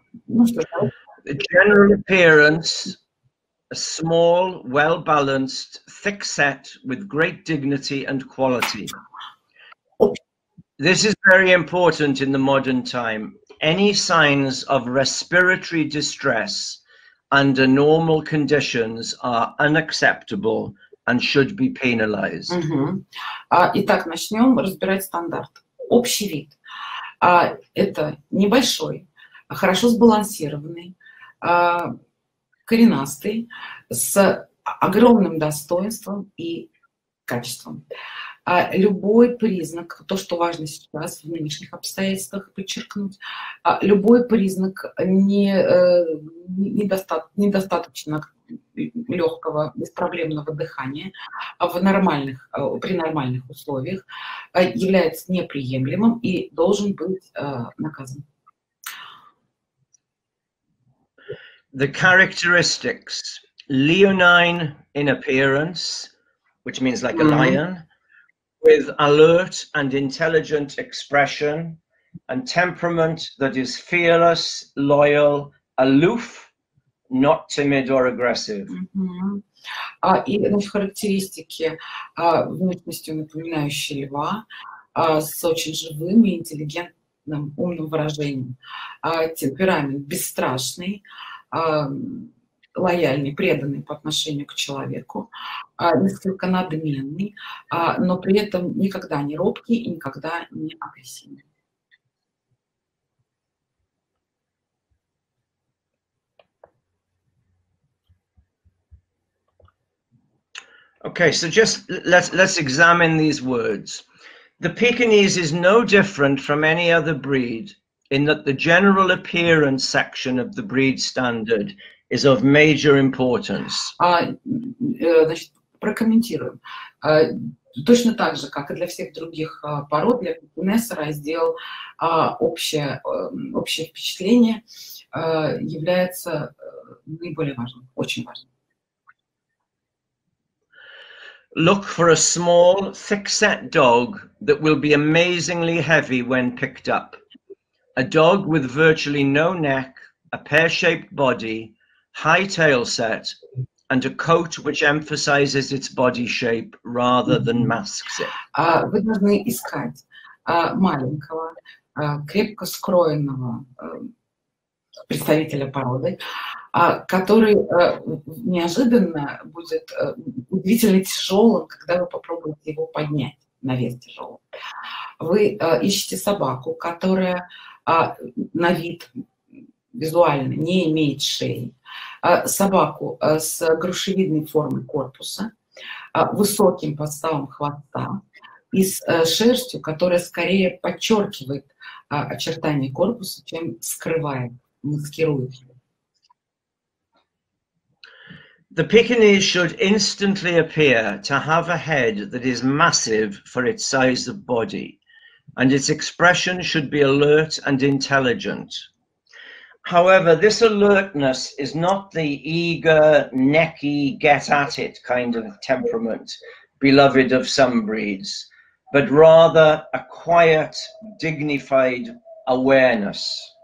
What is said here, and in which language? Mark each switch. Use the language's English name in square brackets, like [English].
[English] The general appearance, a small, well-balanced, thick-set with great dignity and quality. This is very important in the modern time. Any signs of respiratory distress under normal conditions are unacceptable and should be penalized. [Russian] Итак, начнем разбирать стандарт. Общий вид. Это небольшой, хорошо сбалансированный, коренастый, с огромным достоинством и качеством. Любой признак, то, что важно сейчас в нынешних обстоятельствах подчеркнуть, любой признак недостаточно легкого, беспроблемного дыхания в нормальных, при нормальных условиях является неприемлемым и должен быть наказан. [English] The characteristics: leonine in appearance, which means like a lion, with alert and intelligent expression, and temperament that is fearless, loyal, aloof, not timid or aggressive. [Russian] И в характеристике внешностью напоминающей льва, с очень живым и интеллигентным умным выражением, темперамент бесстрашный, лояльный, преданный по отношению к человеку, несколько надменный, но при этом никогда не робкий и никогда не агрессивный. [English] Okay, so just let's examine these words. The Pekinese is no different from any other breed in that the general appearance section of the breed standard is of major importance. [Russian] Значит, прокомментируем. Точно так же, как и для всех других пород, для Пекинеса раздел общее впечатление является наиболее важным, очень важным. [English] Look for a small, thick-set dog that will be amazingly heavy when picked up. A dog with virtually no neck, a pear-shaped body, high tail set, and a coat which emphasizes its body shape rather than masks it. [Russian] Вы должны искать маленького, крепко скроенного представителя породы, который неожиданно будет удивительно тяжелым, когда вы попробуете его поднять на вес тяжелым. Вы ищете собаку, которая на вид визуально не имеет шеи, собаку с грушевидной формой корпуса, высоким подставом хвоста и с шерстью, которая скорее подчеркивает очертания корпуса, чем скрывает, маскирует его. [English] The Pekinese should instantly appear to have a head that is massive for its size of body, and its expression should be alert and intelligent. However, this alertness is not the eager, necky, get at it kind of temperament beloved of some breeds, but rather a quiet, dignified awareness.